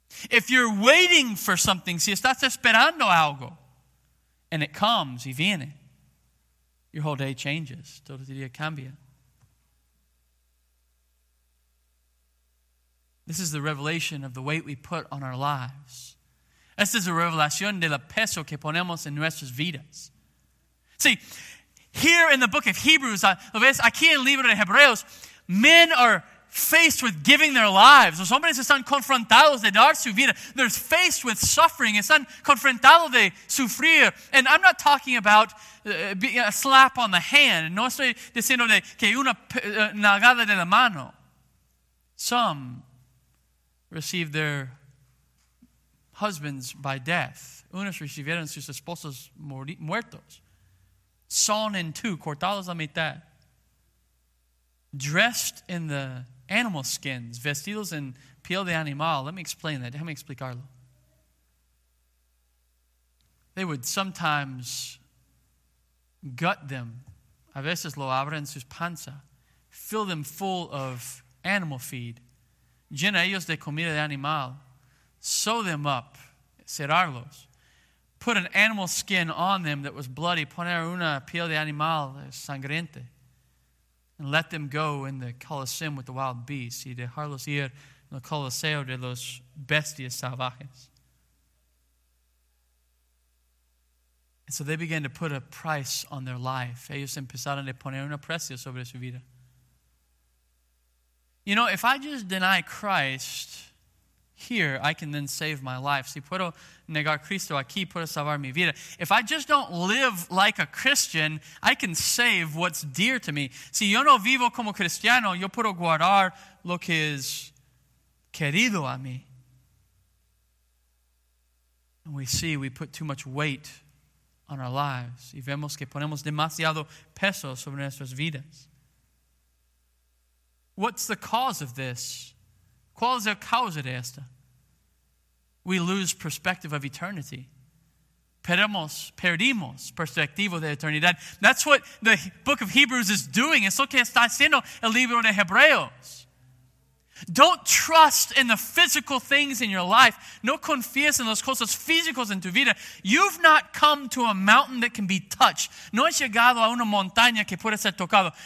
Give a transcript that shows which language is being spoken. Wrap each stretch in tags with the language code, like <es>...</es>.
<en>If you're waiting for something,</en> <es>si estás esperando algo,</es> <en>and it comes</en> <es>y viene,</es> <en>your whole day changes,</en> <es>todo tu día cambia.</es> <en>This is the revelation of the weight we put on our lives.</en> <es>Esta es la revelación del peso que ponemos en nuestras vidas.</es> <en>See, here in the book of Hebrews,</en> <es>aquí en el libro de Hebreos,</es> <en>men are faced with giving their lives.</en> <es>Los hombres están confrontados de dar su vida.</es> <en>They're faced with suffering.</en> <es>Están confrontados de sufrir.</es> <en>And I'm not talking about a slap on the hand.</en> <es>No estoy diciendo de que una nalgada de la mano.</es> <en>Some receive their husbands by death.</en> <es>Unos recibieron sus esposos muertos.</es> <en>Sawn in two,</en> <es>cortados a mitad.</es> <en>Dressed in the animal skins,</en> <es>vestidos en piel de animal.</es> <en>Let me explain that.</en> <es>Déjame explicarlo.</es> <en>They would sometimes gut them.</en> <es>A veces lo abren sus panza.</es> <en>Fill them full of animal feed.</en> <es>Llena ellos de comida de animal.</es> <en>Sew them up.</en> <es>Cerrarlos.</es> <en>Put an animal skin on them that was bloody.</en> <es>Poner una piel de animal sangriente.</es> <en>And let them go in the Colosseum with the wild beasts.</en> <es>Y dejarlos ir en el Coliseo de los bestias salvajes.</es> <en>And so they began to put a price on their life.</en> <es>Ellos empezaron a poner una precio sobre su vida.</es> <en>You know, if I just deny Christ here, I can then save my life.</en> <es>Si puedo negar Cristo aquí, puedo salvar mi vida.</es> <en>If I just don't live like a Christian, I can save what's dear to me.</en> <es>Si yo no vivo como cristiano, yo puedo guardar lo que es querido a mí.</es> <en>And we see we put too much weight on our lives.</en> <es>Y vemos que ponemos demasiado peso sobre nuestras vidas.</es> <en>What's the cause of this?</en> <es>¿Cuál es la causa de esta?</es> <en>We lose perspective of eternity.</en> <es>Perdimos perspectiva de eternidad.</es> <en>That's what the book of Hebrews is doing.</en> <es>Es lo que está haciendo el libro de Hebreos.</es> <en>Don't trust in the physical things in your life.</en> <es>No confíes en las cosas físicas en tu vida.</es> <en>You've not come to a mountain that can be touched.</en> <es>No has llegado a una montaña que pueda ser tocado.</es>